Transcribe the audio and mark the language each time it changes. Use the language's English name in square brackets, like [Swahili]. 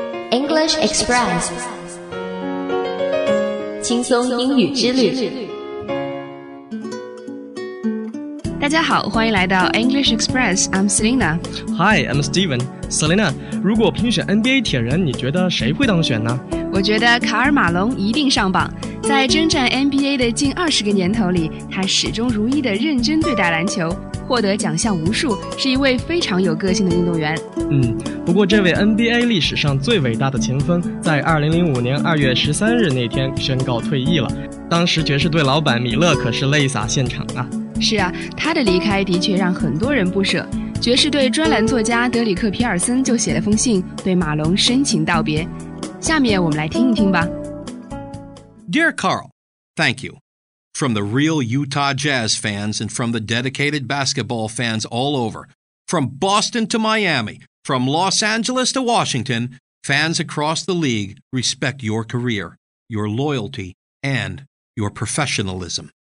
[Chinese] English Express， 轻松英语之旅。大家好，欢迎来到 English Express， [English] I'm Selina。 Hi， I'm Steven。 [Chinese] Selina， 如果评选 NBA 铁人，你觉得谁会当选呢？我觉得卡尔马龙一定上榜。在征战 NBA 的近二十个年头里，他始终如一地认真对待篮球，获得奖项无数，是一位非常有个性的运动员。不过这位 NBA 历史上最伟大的前锋，在2005年2月13日那天宣告退役了。当时爵士队老板米勒可是泪洒现场啊。是啊，他的离开的确让很多人不舍。爵士队专栏作家德里克·皮尔森就写了封信，对马龙深情道别。下面我们来听一听吧。 [English] Dear Carl, thank you. From the real Utah Jazz fans and from the dedicated basketball fans all over, from Boston to Miami, from Los Angeles to Washington, fans across the league respect your career, your loyalty, and your professionalism.